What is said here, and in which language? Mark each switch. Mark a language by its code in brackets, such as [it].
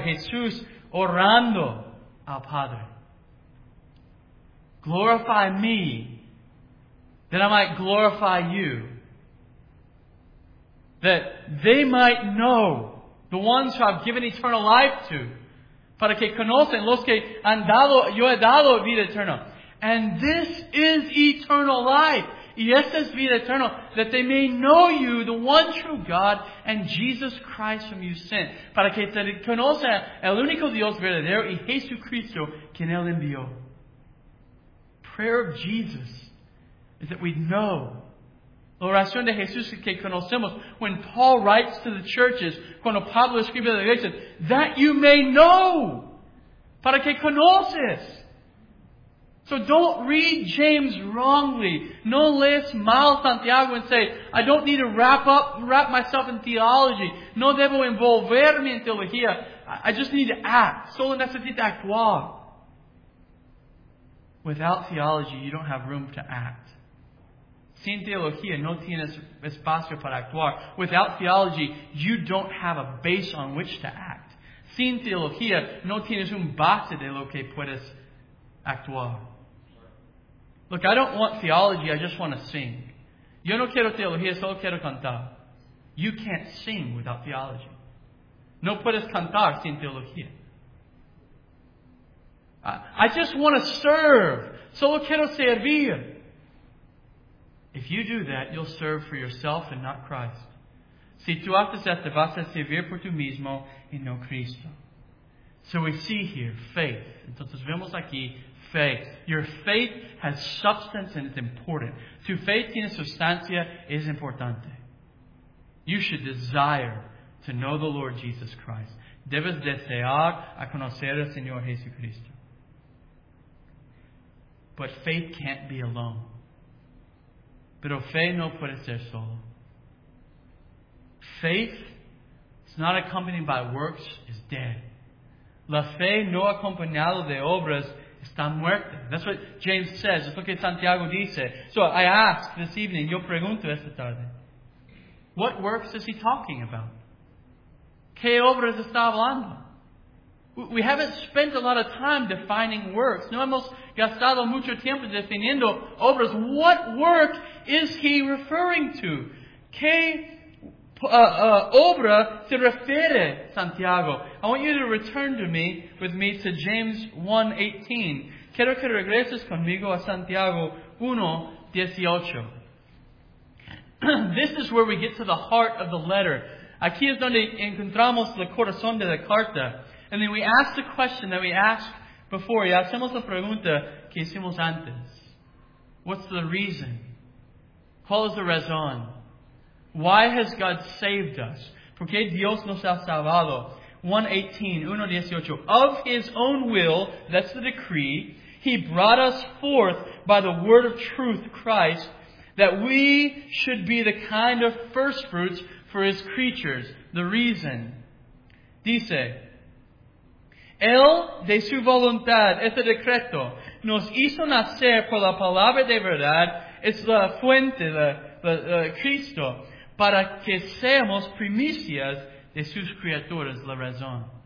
[es] Jesús orando al Padre. [en] Glorify me that I might glorify you. That they might know the ones who I've given eternal life to. [es] Para que conocen los que han dado, yo he dado vida eterna. [en] And this is eternal life. [es] Y esta es vida eterna. [en] That they may know you, the one true God, and Jesus Christ whom you sent. [es] Para que se conozca el único Dios verdadero y Jesucristo quien él envió. [en] Prayer of Jesus is that we know. [es] La oración de Jesús que conocemos [en] when Paul writes to the churches, [es] cuando Pablo escribe la iglesia, [en] that you may know, [es] para que conoces. [en] So don't read James wrongly. [es] No lees mal Santiago [en] and say, I don't need to wrap myself in theology. [es] No debo envolverme en teología. [en] I just need to act. [es] Solo necesito actuar. [en] Without theology, you don't have room to act. [es] Sin teología, no tienes espacio para actuar. [en] Without theology, you don't have a base on which to act. [es] Sin teología, no tienes un base de lo que puedes actuar. [en] Look, I don't want theology, I just want to sing. [es] Yo no quiero teología, solo quiero cantar. [en] You can't sing without theology. [es] No puedes cantar sin teología. [en] I just want to serve, [es] solo quiero servir. [en] If you do that, you'll serve for yourself and not Christ. [es] Si tú haces esto, vas a servir por tu mismo y no Cristo. [en] So we see here faith. [es] Entonces vemos aquí [en] faith. Your faith has substance and it's important. [es] Tu fe tiene sustancia, es importante. [en] You should desire to know the Lord Jesus Christ. [es] Debes desear a conocer al Señor Jesucristo. [en] But faith can't be alone. [es] Pero fe no puede ser solo. [en] Faith, it's not accompanied by works, is dead. [es] La fe no acompañada de obras está muerta. [en] That's what James says. That's what [es] Santiago dice. [en] So I ask this evening, [es] yo pregunto esta tarde, [en] what works is he talking about? [es] ¿Qué obras está hablando? [en] We haven't spent a lot of time defining works. [es] No hemos gastado mucho tiempo definiendo obras. [en] What work is he referring to? [es] ¿Qué obra se refiere, Santiago? [en] I want you to return with me to James 1:18. [es] Quiero que regreses conmigo a Santiago 1:18. [en] This is where we get to the heart of the letter. [es] Aquí es donde encontramos el corazón de la carta. [en] And then we ask the question that we asked before. [es] Y hacemos la pregunta que hicimos antes. [en] What's the reason? [es] ¿Cuál es la razón? [en] Why has God saved us? [es] ¿Por qué Dios nos ha salvado? 1:18. [en] Of His own will, that's the decree, He brought us forth by the word of truth, Christ, that we should be the kind of first fruits for His creatures. The reason. [es] Dice, Él, de su voluntad, este decreto, nos hizo nacer por la palabra de verdad, es la fuente de Cristo, para que seamos primicias de sus criaturas, la razón.